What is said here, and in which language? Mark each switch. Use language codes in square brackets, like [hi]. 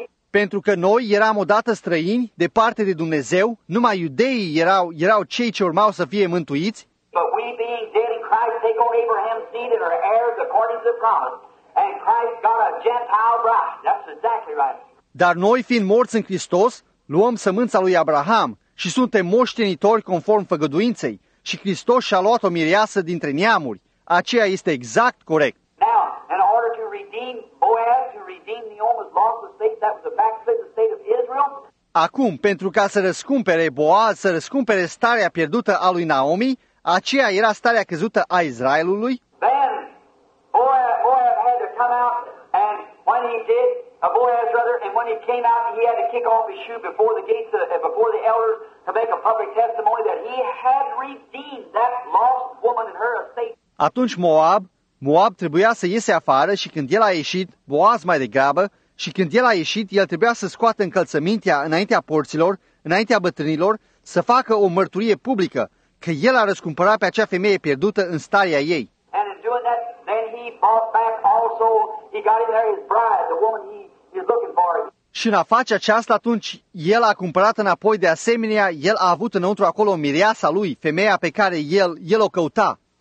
[ro] Pentru că noi eram odată străini, departe de Dumnezeu, numai iudeii erau cei ce urmau să fie mântuiți. [en] But we being dead in Christ take on Abraham's seed and are heirs according to the promise. And Christ got a Gentile bride. That's exactly right. [ro] Dar noi fiind morți în Hristos, luăm sămânța lui Abraham și suntem moștenitori conform făgăduinței. Și Hristos și-a luat o mireasă dintre neamuri. Aceea este exact corect. [en] Now, in order to redeem Boaz, to redeem Naomi's lost estate, that was the backslidden state of Israel. [ro] Acum, pentru ca să răscumpere Boaz, să răscumpere starea pierdută a lui Naomi, aceea era starea căzută a Israelului. [en] Then, Boaz had to come out, and when he did, Boaz rather, and when when he came out, he had to kick off his shoe before the gates of, before the elders to make a public testimony that he had redeemed that lost woman in her estate. [ro] Atunci Moab trebuia să iese afară și când el a ieșit, Boaz mai degrabă, și când el a ieșit, el trebuia să scoată încălțămintea înaintea porților, înaintea bătrânilor, să facă o mărturie publică că el a răscumpărat pe acea femeie pierdută în starea ei. [en] And in doing that, then he bought back also, he got in there his bride, the woman he is looking for. [ro] Și în a face aceasta, atunci, el a cumpărat înapoi, de asemenea, el a avut înăuntru acolo mireasa lui, femeia pe care el o căuta.